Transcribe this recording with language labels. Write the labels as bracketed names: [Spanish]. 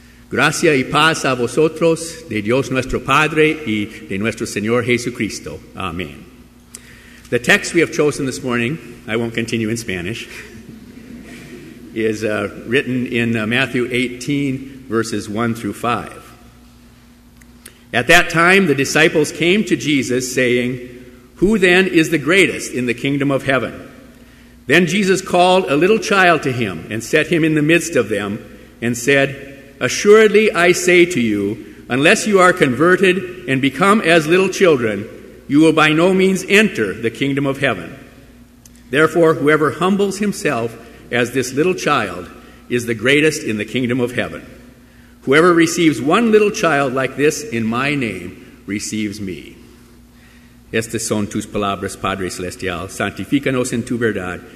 [Spanish] Gracia y paz a vosotros, de Dios nuestro Padre y de nuestro Señor Jesucristo. [English] Amen. The text we have chosen this morning, I won't continue in Spanish, is written in Matthew 18, verses 1 through 5. At that time, the disciples came to Jesus, saying, "Who then is the greatest in the kingdom of heaven?" Then Jesus called a little child to him and set him in the midst of them and said, "Assuredly, I say to you, unless you are converted and become as little children, you will by no means enter the kingdom of heaven. Therefore, whoever humbles himself as this little child is the greatest in the kingdom of heaven. Whoever receives one little child like this in my name receives me." [Spanish] Estas son tus palabras, Padre Celestial. Santificanos en tu verdad.